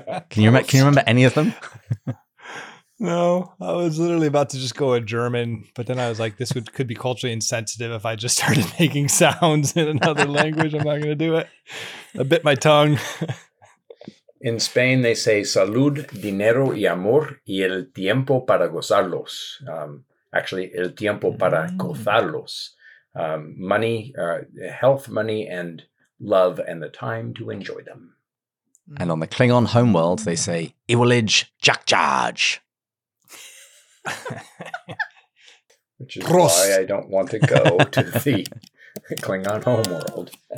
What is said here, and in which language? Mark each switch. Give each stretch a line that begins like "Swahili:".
English: can you remember any of them? No, I was literally about to just go a German, but then I was like, this could be culturally insensitive if I just started making sounds in another language. I'm not going to do it. I bit my tongue. In Spain, they say,
Spanish: salud, dinero y amor, y el tiempo para gozarlos.
English: Actually,
Spanish: el tiempo para gozarlos.
English: Money, health, money, and love, and the time to enjoy them. And on the Klingon homeworld, they say,
Klingon: Iwilij Jakjaj.
English: Which is Prost. Why I don't want to go to the Klingon homeworld.